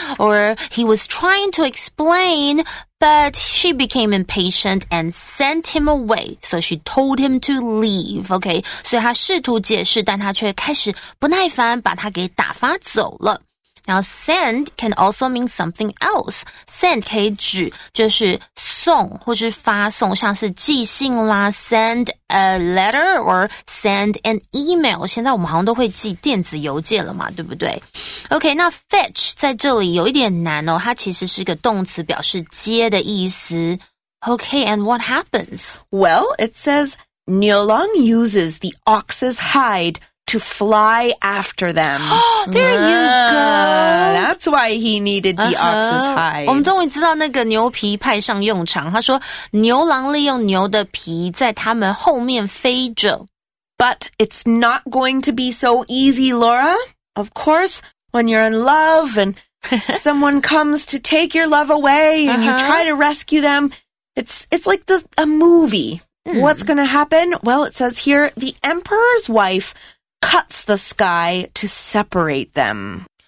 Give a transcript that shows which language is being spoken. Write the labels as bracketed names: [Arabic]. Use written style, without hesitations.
[English] Or he was trying to explain,But she became impatient and sent him away. So she told him to leave. Okay. [Chinese] 所以他试图解释但他却开始不耐烦把他给打发走了。 [English] Now, send can also mean something else. Send [Chinese] 可以指就是送或是发送像是寄信啦 [English] ,send a letter or send an email. [Chinese] 现在我们好像都会寄电子邮件了嘛对不对 ?Okay, 那 fetch 在这里有一点难哦它其实是个动词表示接的意思。 [English] Okay, and what happens? Well, it says, Niolong uses the ox's hide to fly after them. Oh, there you go! That's why he needed the ox's hide. [Chinese] 我们终于知道那个牛皮派上用场。他说牛郎利用牛的皮在他们后面飞着。 [English] But it's not going to be so easy, Laura. Of course, when you're in love and someone comes to take your love away and you try to rescue them, it's like a movie. What's going to happen? Well, it says here, the emperor's wife cuts the sky to separate them.